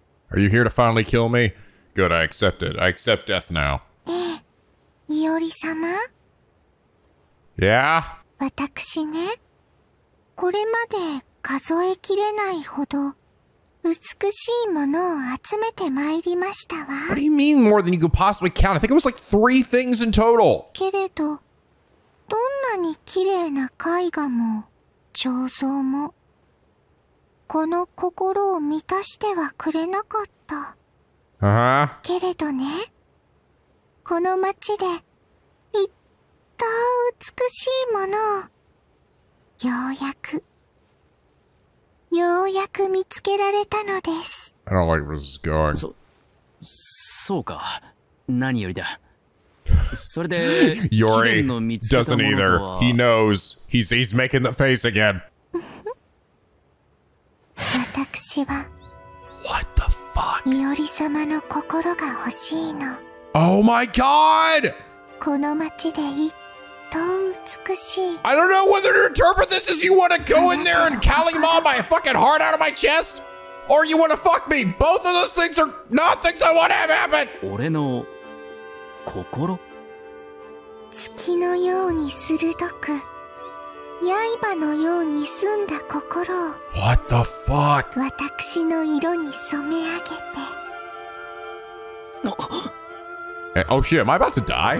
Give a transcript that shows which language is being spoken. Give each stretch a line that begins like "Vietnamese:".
English: Are you here to finally kill me? Good, I accept it. I accept death now.
Japanese: え、イオリ様？
English: Yeah?
Japanese: 私ね、これまで数えきれないほど美しいものを集めてまいりましたわ。
English: What do you mean more than you could possibly count? I think it was like three things in total.
Japanese: けれど、どんなに綺麗な絵画も、彫像も、この心を満たしてはくれなかった。けれどね、この町で、いった美しいものを、ようやく見つけられたのです。
English: I don't like where this is going.
Japanese: そうか。何よりだ。それで、
English: Yori doesn't either. He knows. He's making the face again.
Japanese: 私は、
English: What the fuck?
Japanese: イオリ様の心が欲しいの。
English: Oh my god!
Japanese: この街で一等美しい。
English: I don't know whether to interpret this as you want to go in there and Kalima my fucking heart out of my chest, or you want to fuck me. Both of those things are not things I want to have happen.
Japanese: 俺の心。月のように鋭く、刃のように澄んだ心を、
English: What the fuck?
Japanese: 私の色に染め上げて。
English: Oh shit, am I about to die?